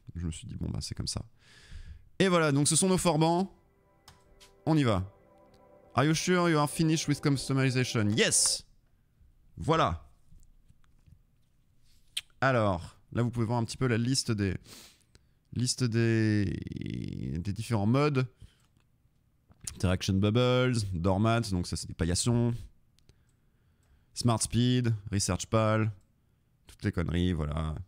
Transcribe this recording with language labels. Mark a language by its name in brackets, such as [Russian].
[French] Je me suis dit, bon bah c'est comme ça. Et voilà, donc ce sont nos forbans. On y va. [English] Are you sure you are finished with customization? Yes! Voilà. [French] Alors, là vous pouvez voir un petit peu la liste des... Liste des différents modes. Interaction Bubbles, Doormat, donc ça c'est des paillassons. Smart Speed, Research Pal, toutes les conneries, voilà.